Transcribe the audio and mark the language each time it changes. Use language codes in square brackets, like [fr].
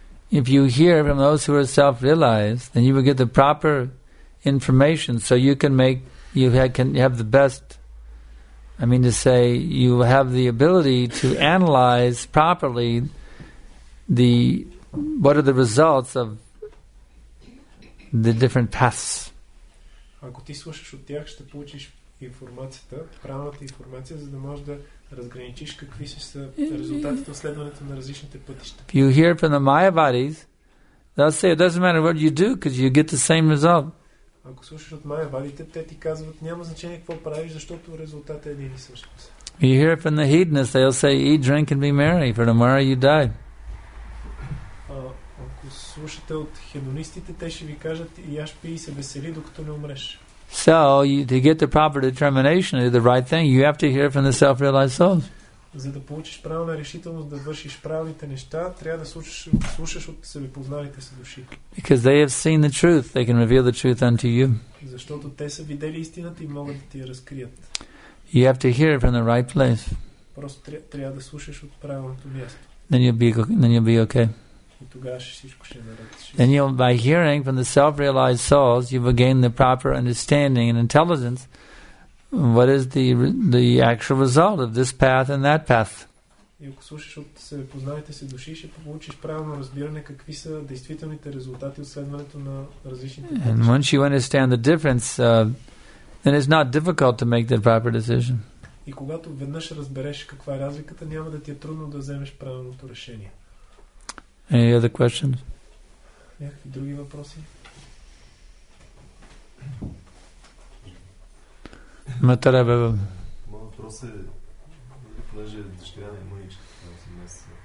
[en] If you hear from those who are self-realized, then you will get the proper information so you can make you have the ability to analyze properly the what are the results of the different paths. [bg] Ако ти слушаш от тях, ще получиш информацията, правилната информация, за да можеш да разграничиш какви са резултатите от следването на различните пътища. [en] You hear from the Mayavadis, they'll say it doesn't matter what you do because you get the same result. [bg] Ако слушаш от майявадите, те ти казват, няма значение какво правиш, защото резултатът е един и същ. [en] You hear from the hedonists, they'll say, eat, drink and be merry, for tomorrow you die. [bg] Ако слушате от хедонистите, те ще ви кажат, яш, пий и се весели, докато не умреш. [en] So, to get the proper determination to do the right thing, you have to hear from the self-realized souls. [bg] За да получиш правилна решителност да вършиш правилните неща, трябва да слушаш от себепознаните си души. [en] Because they have seen the truth, they can reveal the truth unto you. [bg] Защото те са видели истината и могат да ти я разкрият. [en] You have to hear from the right place. [bg] Просто трябва да слушаш от правилното място. [en] Then you'll be okay. [bg] И тогава всичко ще наред. [en] Then you'll, by hearing from the self-realized souls, you've gained the proper understanding and intelligence. What is the actual result of this path and that path? [bg] И ако слушаш от себепознаните си души, ще получиш правилно разбиране какви са действителните резултати от следването на различните пътища. [en] And once you understand the difference, then it's not difficult to make the proper decision. [bg] И когато веднъж разбереш каква е разликата, няма да ти е трудно да вземеш правилното решение. [en] Any other questions? [bg] Някакви други въпроси? Матаребева. Моя въпрос е, понеже дъщеря на Емоничка, 8 месеца.